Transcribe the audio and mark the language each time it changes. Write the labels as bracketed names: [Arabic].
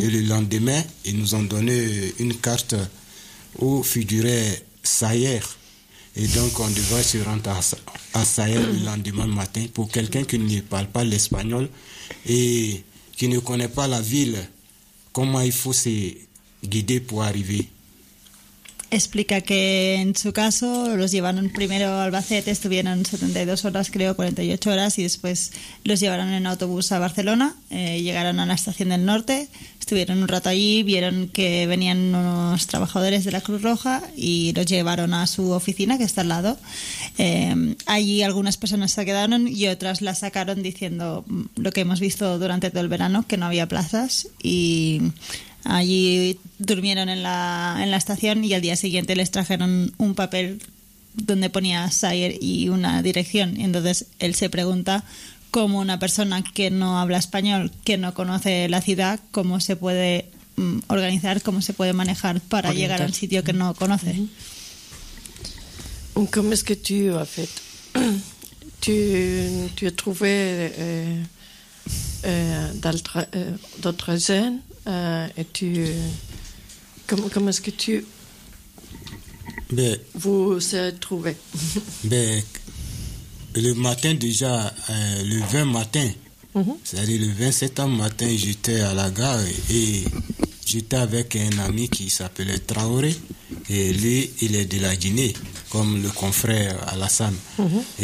[French] Et le lendemain, ils nous ont donné une carte où figurait Sayer. Et donc, on devait se rendre à Sayer le lendemain matin pour quelqu'un qui ne parle pas l'espagnol et qui ne connaît pas la ville. Comment il faut se guider pour arriver? [Spanish] Explica que en su caso los llevaron primero a Albacete, estuvieron 72 horas, creo, 48 horas, y después los llevaron en autobús a Barcelona, llegaron a la estación del norte, estuvieron un rato allí, vieron que venían unos trabajadores de la Cruz Roja y los llevaron a su oficina, que está al lado. Allí algunas personas se quedaron y otras las sacaron diciendo lo que hemos visto durante todo el verano, que no había plazas y... Allí durmieron en la estación y al día siguiente les trajeron un papel donde ponía Sayer y una dirección. Entonces él se pregunta cómo una persona que no habla español, que no conoce la ciudad, cómo se puede organizar, cómo se puede manejar para orientar, llegar a un sitio que no conoce. ¿Cómo es que tú has hecho? ¿Tú has encontrado otra gente? [French] Et tu comment est-ce que tu vous êtes trouvé? Le matin déjà, le 20 matin, mm-hmm. c'est-à-dire le 27 matin, j'étais à la gare et j'étais avec un ami qui s'appelait Traoré et lui, il est de la Guinée, comme le confrère Alassane. Mm-hmm.